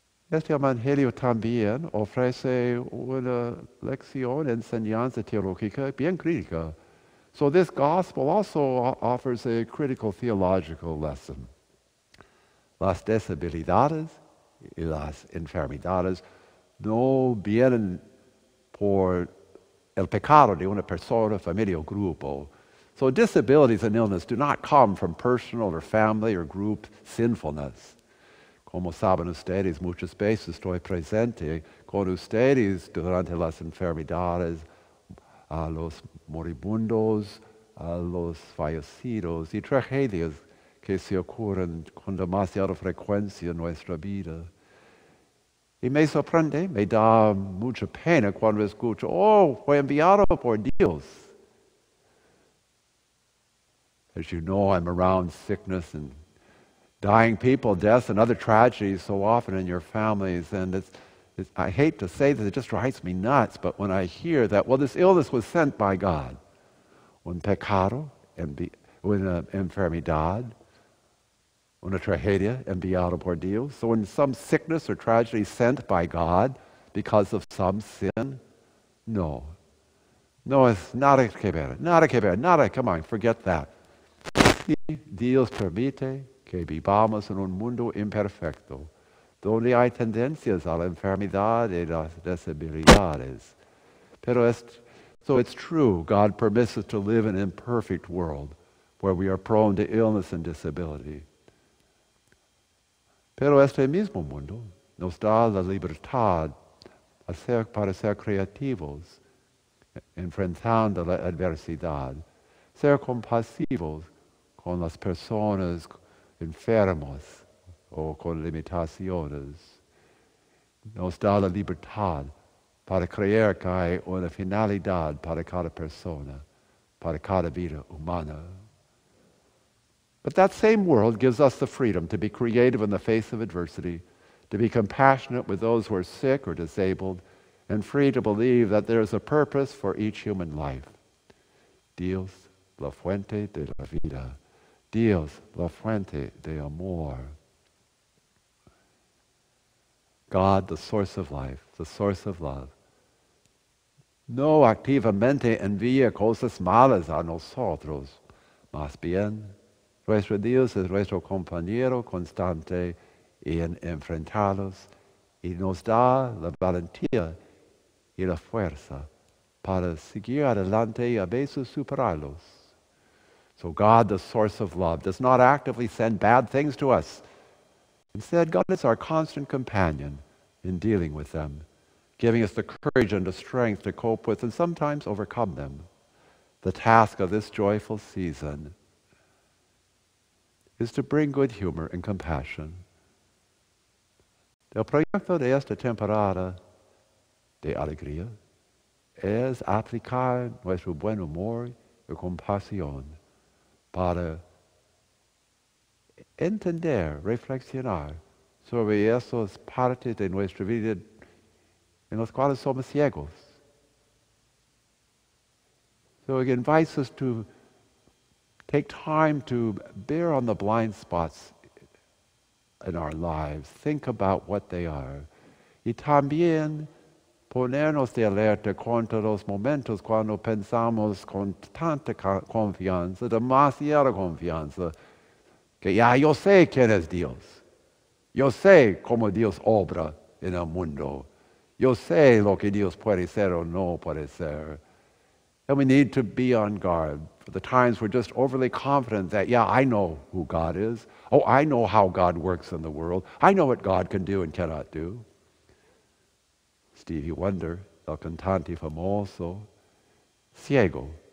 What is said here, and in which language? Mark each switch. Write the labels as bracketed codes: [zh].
[es] Este evangelio también ofrece una lección, enseñanza teológica bien crítica. [en] So this gospel also offers a critical theological lesson. [es] Las deshabilidades y las enfermedades no vienen por el pecado de una persona, familia o grupo. [en] So disabilities and illness do not come from personal or family or group sinfulness. [es] Como saben ustedes, muchas veces estoy presente con ustedes durante las enfermedades, a los moribundos, a los fallecidos y tragedias que se ocurren con demasiada frecuencia en nuestra vida. Y me sorprende, me da mucha pena cuando escucho, oh, fue enviado por Dios. [en] As you know, I'm around sickness and dying people, deaths and other tragedies so often in your families, and I hate to say this, it just drives me nuts, but when I hear that, well, this illness was sent by God. [es] Un pecado, una enfermedad, una tragedia, enviado por Dios. [en] So when some sickness or tragedy sent by God because of some sin, no. [es] No, es nada que ver, nada que ver, nada, [en] come on, forget that. [es] Si Dios permite que vivamos en un mundo imperfecto, donde hay tendencias a la enfermedad y las desabilidades. [en] Pero so it's true, God permits us to live in an imperfect world where we are prone to illness and disability. [es] Pero este mismo mundo nos da la libertad para ser creativos, enfrentando la adversidad, ser compasivos con las personas enfermas, o con limitaciones. Nos da la libertad para creer que hay una finalidad para cada persona, para cada vida humana. [en] But that same world gives us the freedom to be creative in the face of adversity, to be compassionate with those who are sick or disabled, and free to believe that there is a purpose for each human life. [es] Dios, la fuente de la vida. Dios, la fuente de amor. [en] God, the source of life, the source of love. [es] No activamente envía cosas malas a nosotros. Más bien, nuestro Dios es nuestro compañero constante en enfrentarlos y nos da la valentía y la fuerza para seguir adelante y a veces superarlos. [en] So God, the source of love, does not actively send bad things to us. Instead, God is our constant companion in dealing with them, giving us the courage and the strength to cope with and sometimes overcome them. The task of this joyful season is to bring good humor and compassion. [es] El proyecto de esta temporada de alegría es aplicar nuestro buen humor y compasión para entender, reflexionar sobre esas partes de nuestra vida en las cuales somos ciegos. [en] So it invites us to take time to bear on the blind spots in our lives, think about what they are, [es] y también ponernos de alerta contra los momentos cuando pensamos con tanta confianza, demasiada confianza, que ya yo sé quién es Dios. Yo sé cómo Dios obra en el mundo. Yo sé lo que Dios puede ser o no puede ser. [en] And we need to be on guard for the times we're just overly confident that, yeah, I know who God is. Oh, I know how God works in the world. I know what God can do and cannot do. [es] Stevie Wonder, el cantante famoso, ciego.